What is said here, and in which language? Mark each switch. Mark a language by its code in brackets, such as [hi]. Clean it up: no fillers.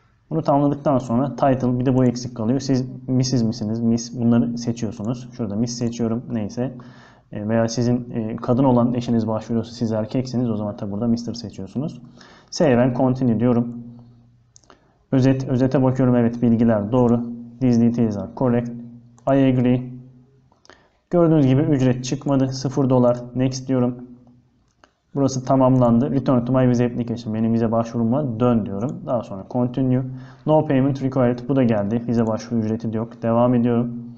[tr] Bunu tamamladıktan sonra title, bir de bu eksik kalıyor. Siz Mrs. misiniz? Miss, bunları seçiyorsunuz. Şurada Miss seçiyorum. Neyse. Veya sizin kadın olan eşiniz başvuruyorsa, siz erkeksiniz. O zaman tabi burada Mr. seçiyorsunuz. [en] Save and continue [tr] diyorum. Özete bakıyorum. Evet, bilgiler doğru. [en] These details are correct. I agree. [tr] Gördüğünüz gibi ücret çıkmadı. 0 dolar. Next diyorum. Burası tamamlandı. [en] Return to my visa application. [tr] Benim vize başvuruma dön diyorum. Daha sonra continue. [en] No payment required. [tr] Bu da geldi. Vize başvuru ücreti de yok. Devam ediyorum.